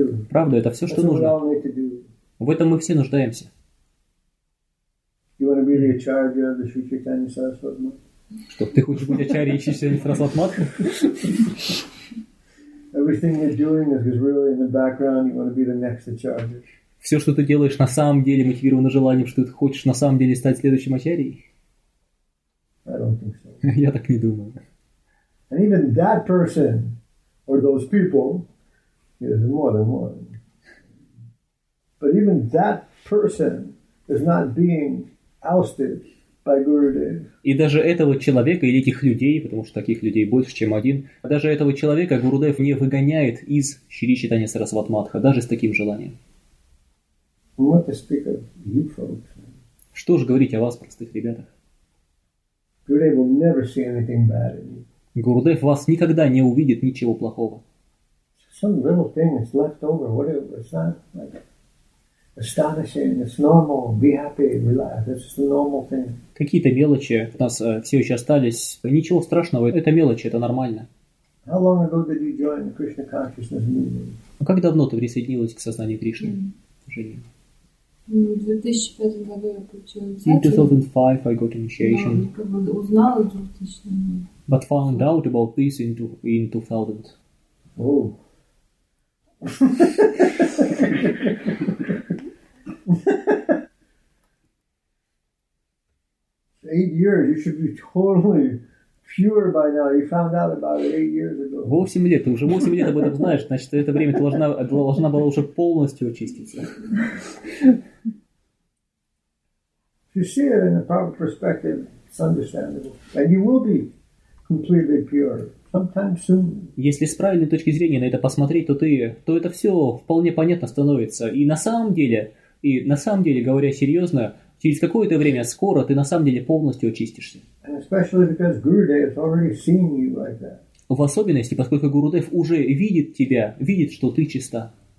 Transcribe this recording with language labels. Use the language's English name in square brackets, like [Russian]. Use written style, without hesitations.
[Russian] Правда, это все, что нужно. В этом мы все нуждаемся. Что, ты хочешь быть ачарьей Шри Чайтаньи Сарасватмата? [English] Everything you're doing is because really in the background you want to be the next acharya. [Russian] Все, что ты делаешь, на самом деле мотивировано желанием, что ты хочешь на самом деле стать следующим ачарьей? [English] I don't think so. [Russian] Я так не думаю. [English] And even that person or those people, there's more than one. But even that person is not being ousted by Gurudev. [Russian] И даже этого человека или этих людей, потому что таких людей больше, чем один, даже этого человека Гурудев не выгоняет из Шри Чайтаньи Сарасватмадха, даже с таким желанием. [English] What to speak of you folks? [Russian] Что же говорить о вас, простых ребятах? [English] Gurudev will never see anything bad in you. [Russian] Гурудев вас никогда не увидит ничего плохого. [English] Some little thing is left over. What is that? Astonishing, it's normal, be happy, relax, it's just a normal thing. [Russian] Какие-то мелочи у нас все еще остались. Ничего страшного, это мелочи, это нормально. [English] How long ago did you join the Krishna consciousness movement? [Russian] А как давно ты присоединилась к сознанию Кришны, Женя? В 2005 году я получила инициацию. [English] In 2005 I got initiation. [Russian] Я как бы узнала в 2000 году. [English] But found out about this in 2000. Oh. Years, you should be totally pure by now. You found out about it 8 years ago. [Russian] 8 лет, ты уже 8 лет об этом знаешь, значит, это время ты должна была уже полностью очиститься. [English] If you see it in a proper perspective, it's understandable. And you will be completely pure sometime soon. [Russian] Если с правильной точки зрения на это посмотреть, то это все вполне понятно становится. И на самом деле, говоря серьезно, через какое-то время, скоро, ты на самом деле полностью очистишься. В особенности, поскольку Гурудев уже видит тебя, видит, что ты чиста.